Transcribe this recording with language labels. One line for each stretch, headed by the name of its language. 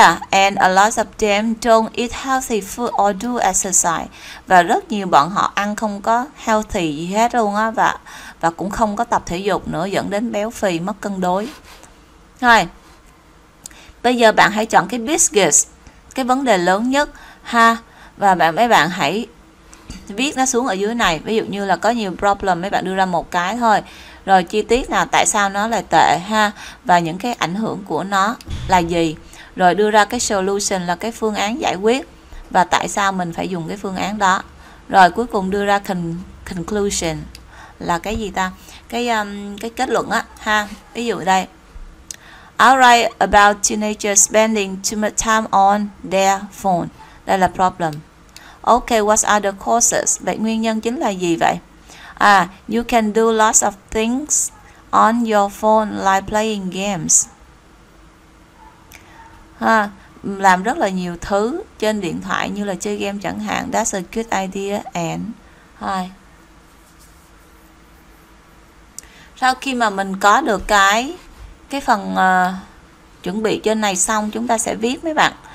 English: And a lot of them don't eat healthy food or do exercise.
Vietnamese: Và rất nhiều bọn họ ăn không có healthy gì hết luôn á, và cũng không có tập thể dục nữa, dẫn đến béo phì, mất cân đối. Rồi, bây giờ bạn hãy chọn cái biggest, cái vấn đề lớn nhất ha, và bạn mấy bạn hãy viết nó xuống ở dưới này. Ví dụ như là có nhiều problem, mấy bạn đưa ra một cái thôi, rồi chi tiết nào, tại sao nó lại tệ ha, và những cái ảnh hưởng của nó là gì, rồi đưa ra cái solution là cái phương án giải quyết và tại sao mình phải dùng cái phương án đó, rồi cuối cùng đưa ra conclusion là cái gì ta, cái kết luận á ha. Ví dụ đây,
English: I'll write about teenagers spending too much time on their phone.
Vietnamese: Đây là
English: problem. Okay, what are the causes?
Vietnamese: Vậy nguyên nhân chính là gì vậy?
English: You can do lots of things on your phone like playing games.
Vietnamese: Làm rất là nhiều thứ trên điện thoại như là chơi game chẳng hạn.
English: That's a good idea. And hi.
Vietnamese: Sau khi mà mình có được cái phần chuẩn bị trên này xong, chúng ta sẽ viết mấy bạn.